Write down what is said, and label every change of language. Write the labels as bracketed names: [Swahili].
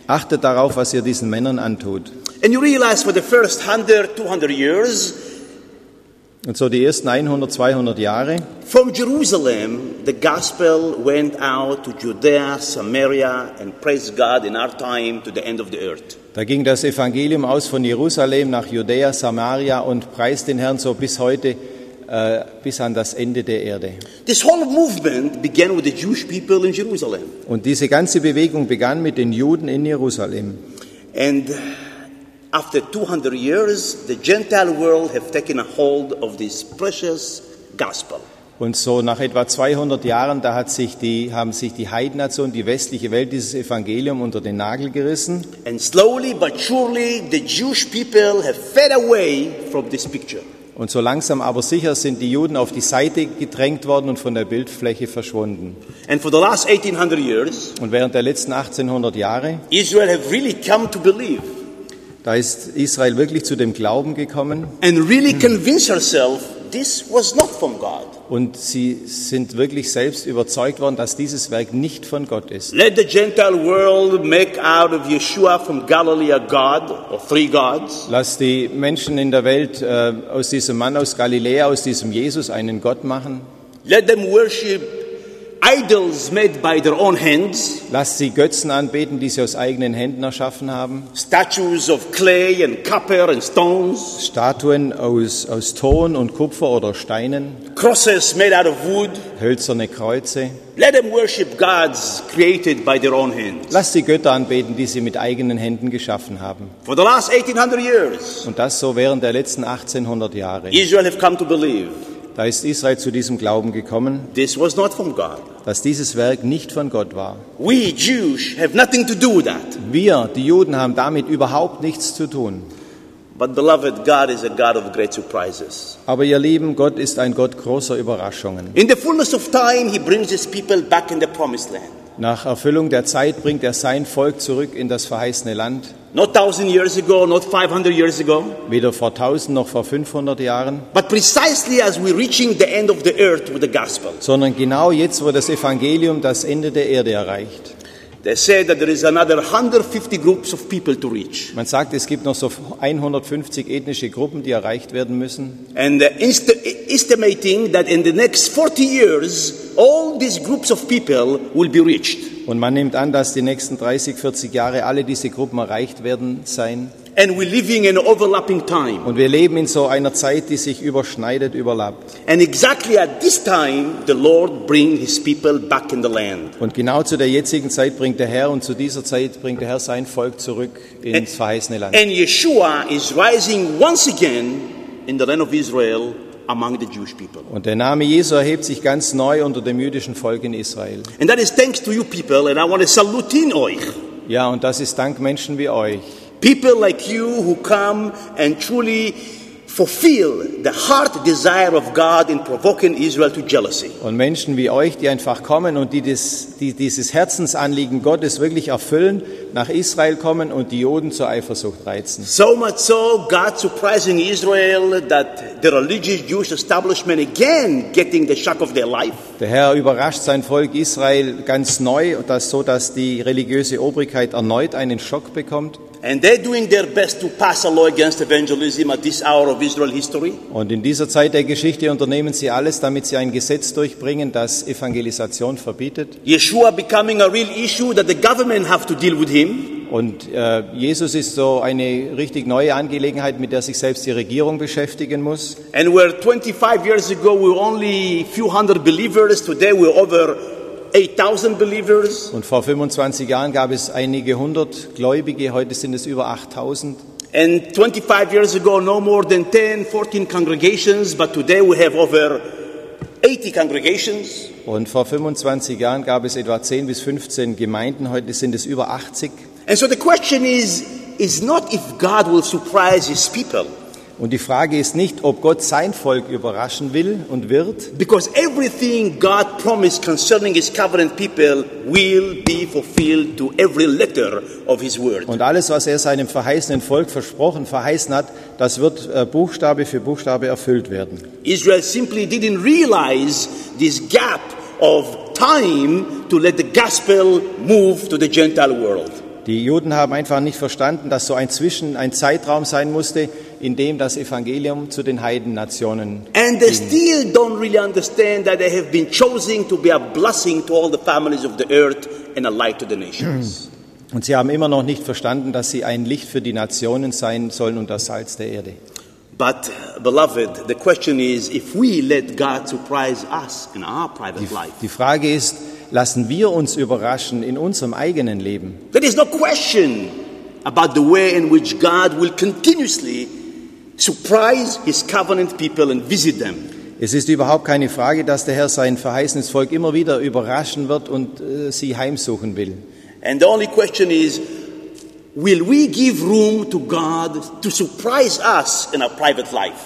[German] Achtet darauf, was ihr diesen Männern antut. [English] And you realize for the first 100, 200 years, [German] und so die ersten 100, 200 Jahre, [English] from Jerusalem, the gospel went out to Judea, Samaria, and praise God in our time to the end of the earth. [German] Da ging das Evangelium aus von Jerusalem nach Judäa, Samaria und preist den Herrn so bis heute, bis an das Ende der Erde. [English] This whole movement began with the Jewish people in Jerusalem. [German] Und diese ganze Bewegung begann mit den Juden in Jerusalem. [English] And after 200 years, the Gentile world have taken a hold of this precious gospel. [German] Und so nach etwa 200 Jahren, da hat sich die, haben sich die Heidennation, die westliche Welt, dieses Evangelium unter den Nagel gerissen. [English] And slowly but surely, the Jewish people have fed away from this picture. [German] Und so langsam aber sicher sind die Juden auf die Seite gedrängt worden und von der Bildfläche verschwunden. [English] And for the last 1800 years, [German] und während der letzten 1800 Jahre, [English] Israel have really come to believe. [German] Da ist Israel wirklich zu dem Glauben gekommen. [English] And really convince herself, this was not from God. [German] Und sie sind wirklich selbst überzeugt worden, dass dieses Werk nicht von Gott ist. [English] Let the Gentile world make out of Yeshua from Galilee a god or three gods. [German] Lass die Menschen in der Welt aus diesem Mann aus Galiläa, aus diesem Jesus einen Gott machen. [English] Let them worship idols made by their own hands. [German] Lass sie Götzen anbeten, die sie aus eigenen Händen erschaffen haben. [English] Statues of clay and copper and stones. [German] Statuen aus Ton und Kupfer oder Steinen. [English] Crosses made out of wood. [German] Hölzerne Kreuze. [English] Let them worship gods created by their own hands. [German] Lass sie Götter anbeten, die sie mit eigenen Händen geschaffen haben. [English] For the last 1800 years. [German] Und das so während der letzten 1800 Jahre. [English] Israel have come to believe. [German] Da ist Israel zu diesem Glauben gekommen, [English] this was not from God. [German] Dass dieses Werk nicht von Gott war. [English] We Jews have nothing to do with that. [German] Wir, die Juden, haben damit überhaupt nichts zu tun. [English] But beloved, God is a God of great surprises. [German] Aber ihr Lieben, Gott ist ein Gott großer Überraschungen. [English] In the fullness of time, he brings his people back in the promised land. [German] Nach Erfüllung der Zeit bringt er sein Volk zurück in das verheißene Land. [English] Not 1000 years ago, not 500 years ago. [German] Weder vor 1000 noch vor 500 Jahren. [English] But precisely as we're reaching the end of the earth with the gospel. [German] Sondern genau jetzt, wo das Evangelium das Ende der Erde erreicht. [English] They say that there is another 150 groups of people to reach. [German] Man sagt, es gibt noch so 150 ethnische Gruppen, die erreicht werden müssen. [English] And estimating that in the next 40 years all these groups of people will be reached. [German] Und man nimmt an, dass die nächsten 30, 40 Jahre alle diese Gruppen erreicht werden sein. [English] And we're living in an overlapping time. [German] Und wir leben in so einer Zeit, die sich überschneidet, überlappt. [English] And exactly at this time, the Lord brings his people back in the land. [German] Und genau zu der jetzigen Zeit bringt der Herr und zu dieser Zeit bringt der Herr sein Volk zurück ins verheißene Land. [English] And Yeshua is rising once again in the land of Israel among the Jewish people. [German] Und der Name Jesu erhebt sich ganz neu unter dem jüdischen Volk in Israel. [English] And that is thanks to you people, and I want to salute in euch. [German] Ja, und das ist dank Menschen wie euch. [English] People like you who come and truly fulfill the heart desire of God in provoking Israel to jealousy. [German] Und Menschen wie euch, die einfach kommen und dieses Herzensanliegen Gottes wirklich erfüllen, nach Israel kommen und die Juden zur Eifersucht reizen. [English] So much so, God surprising Israel that the religious Jewish establishment again getting the shock of their life. [German] Der Herr überrascht sein Volk Israel ganz neu, dass die religiöse Obrigkeit erneut einen Schock bekommt. [English] And they're doing their best to pass a law against evangelism at this hour of Israel history. [German] Und in dieser Zeit der Geschichte unternehmen sie alles, damit sie ein Gesetz durchbringen, das Evangelisation verbietet. [English] Yeshua becoming a real issue that the government have to deal with him. [German] Und Jesus ist so eine richtig neue Angelegenheit, mit der sich selbst die Regierung beschäftigen muss. [English] And where 25 years ago we were only a few hundred believers, today we're over 8,000 believers. [German] Und vor 25 Jahren gab es einige hundert Gläubige, heute sind es über 8,000. [English] And 25 years ago no more than 10, 14 congregations, but today we have over 80 congregations. [German] Und vor 25 Jahren gab es etwa 10 bis 15 Gemeinden, heute sind es über 80. [English] And so the question is not if God will surprise his people. [German] Und die Frage ist nicht, ob Gott sein Volk überraschen will und wird. [English] Because everything God promised concerning his covenant people will be fulfilled to every letter of his word. [German] Und alles, was er seinem verheißenen Volk versprochen, verheißen hat, das wird Buchstabe für Buchstabe erfüllt werden. [English] Israel simply didn't realize this gap of time to let the gospel move to the Gentile world. [German] Die Juden haben einfach nicht verstanden, dass so ein Zwischen, ein Zeitraum sein musste, in dem das Evangelium zu den Heidennationen ging. [English] And they still don't really understand that they have been chosen to be a blessing to all the families of the earth and a light to the nations. [German] Und sie haben immer noch nicht verstanden, dass sie ein Licht für die Nationen sein sollen und das Salz der Erde. [English] But beloved, the question is if we let God surprise us in our private life. [German] Die Frage ist, lassen wir uns überraschen in unserem eigenen Leben. [English] There is no question about the way in which God will continuously surprise his covenant people and visit them. [German] Es ist überhaupt keine Frage, dass der Herr sein verheißenes Volk immer wieder überraschen wird und sie heimsuchen will. [English] And the only question is, will we give room to God to surprise us in our private life?